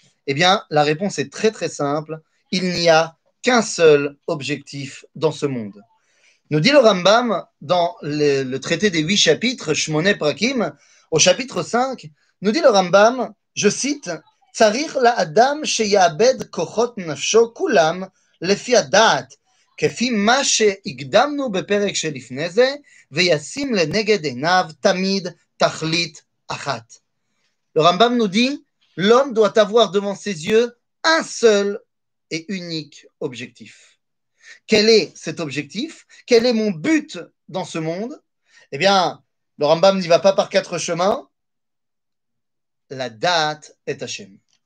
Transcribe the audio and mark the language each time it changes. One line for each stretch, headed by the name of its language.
French: Eh bien, la réponse est très, très simple. Il n'y a qu'un seul objectif dans ce monde. Nous dit le Rambam dans le traité des 8 chapitres, Shmoneh Prakim, au chapitre 5, nous dit le Rambam, je cite, «
Hebrew: Tzarich la Adam sheyabed kochot nafsho kulam lefi adat. כפי מה שהקדמנו בפרק שלפני זה, וישים לנגד עיניו תמיד תכלית אחת.
French: Le Rambam nous dit, l'homme doit avoir devant ses yeux un seul et unique objectif. Quel est cet objectif? Quel est mon but dans ce monde? Eh bien, le Rambam n'y va pas par quatre chemins. La dat est Hashem.